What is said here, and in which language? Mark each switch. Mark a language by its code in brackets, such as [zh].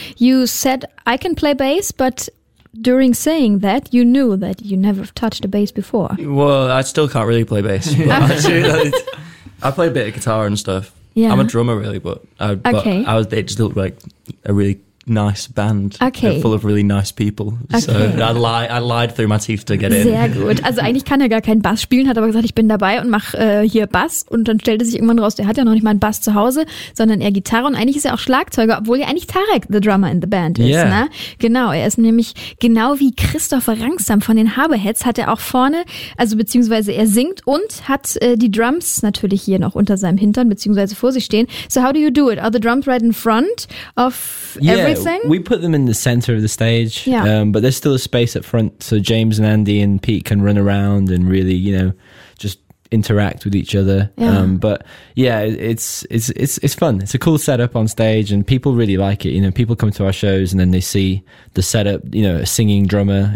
[en] You said, I can play bass, but during saying that, you knew that you never touched a bass before. Well, I still can't really play bass. I play a bit of guitar and stuff. Yeah. I'm a drummer, really, but it just looked like a really nice band. Okay. Full of really nice people. Okay. So I lied through my teeth to get in. [de] Sehr gut. Also eigentlich kann er gar keinen Bass spielen, hat aber gesagt, ich bin dabei und mache hier Bass. Und dann stellte sich irgendwann raus, der hat ja noch nicht mal einen Bass zu Hause, sondern eher Gitarre. Und eigentlich ist er auch Schlagzeuger, obwohl ja eigentlich Tarek [en] the drummer in the band [de] ist. [en] Yeah. [de] Ne? Genau, er ist nämlich genau wie Christopher Rangsam von den Haberheads, hat er auch vorne, also beziehungsweise er singt und hat die Drums natürlich hier noch unter seinem Hintern, beziehungsweise vor sich stehen. [en] So how do you do it? Are the drums right in front of yeah. every We put them in the center of the stage, yeah. But there's still a space up front so James and Andy and Pete can run around and really, you know, just interact with each other. Yeah. But yeah, it's fun. It's a cool setup on stage and people really like it. You know, people come to our shows and then they see the setup, you know, a singing drummer.